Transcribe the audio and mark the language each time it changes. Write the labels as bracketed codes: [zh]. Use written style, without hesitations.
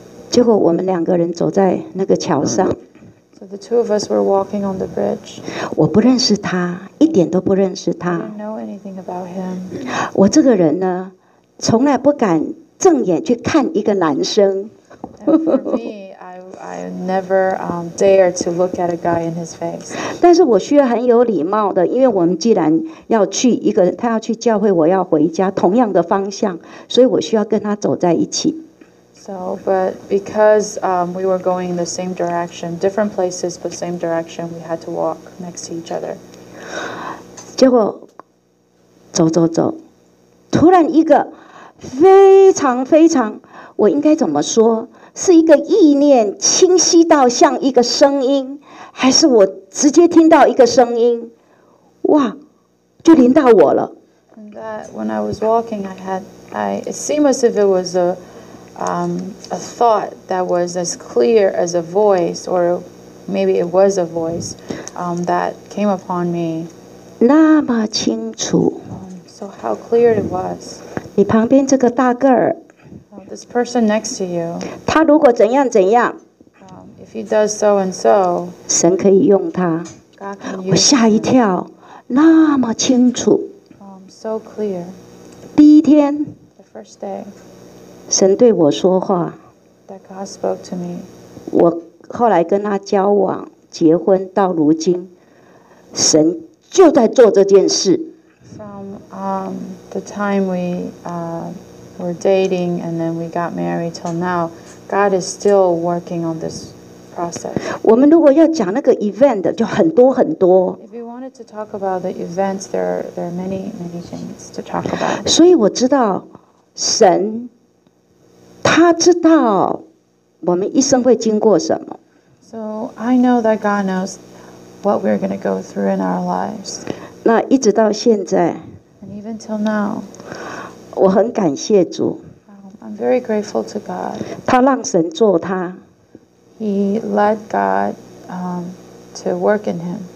[zh] 结果我们两个人走在那个桥上。 [en] So the two of us were walking on the bridge. [zh] 我不认识他，一点都不认识他。 [en] I didn't know anything about him. [zh] 我这个人呢，从来不敢正眼去看一个男生。 [en] And for me, I never, dare to look at a guy in his face. [zh] 但是我需要很有礼貌的，因为我们既然要去一个，他要去教会，我要回家，同样的方向，所以我需要跟他走在一起。 [en] So, but because, we were going the same direction, different places, but same direction, we had to walk next to each other. [zh] 结果走走走，突然一个非常非常我应该怎么说？是一个意念清晰到像一个声音，还是我直接听到一个声音？哇，就临到我了。 [en] And that when I was walking, it seemed as if it was a thought that was as clear as a voice, or maybe it was a voice, that came upon me. [zh] 那么清楚。 [en] So how clear it was. [zh] 你旁边这个大个儿。 [en] This person next to you. [zh] 他如果怎样怎样。 [en] If he does so and so. [zh] 神可以用他。我吓一跳，那么清楚。 [en] So clear. [zh] 第一天。 [en] The first day. [zh] 神对我说话。 [en] That God spoke to me. [zh] 我后来跟他交往、结婚到如今，神就在做这件事。 [en] From the time we were dating and then we got married till now, God is still working on this process. [zh] 我们如果要讲那个 event， 就很多很多。 [en] If you wanted to talk about the events, there are many many things to talk about. [zh] 所以我知道神，他知道我们一生会经过什么。 [en] So I know that God knows what we're going to go through in our lives. [zh] 那一直到现在。 [en] And even till now. [zh] 我很感谢主。 [en] I'm very grateful to God. [zh] 他让神做他。 [en] He let God to work in him.